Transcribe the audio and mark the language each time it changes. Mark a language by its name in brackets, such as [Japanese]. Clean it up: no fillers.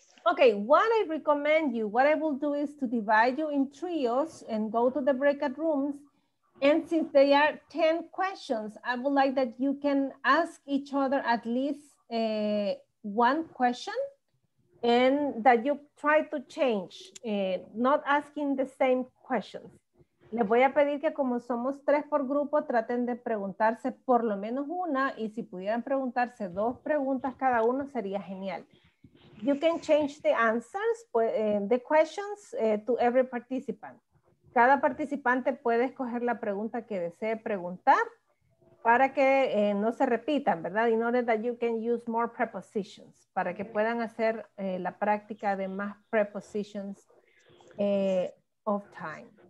[English] Okay, what I recommend you, what I will do is to divide you in trios and go to the breakout rooms. And since there are 10 questions, I would like that you can ask each other at least one question. And that you try to change, not asking the same questions. [Spanish] Les voy a pedir que como somos tres por grupo, traten de preguntarse por lo menos una, y si pudieran preguntarse dos preguntas cada uno, sería genial. [English] You can change the answers, the questions to every participant. [Spanish] Cada participante puede escoger la pregunta que desee preguntar para que no se repitan, ¿verdad? [English] In order that you can use more prepositions, [Spanish] para que puedan hacer la práctica de más [English] prepositions of time.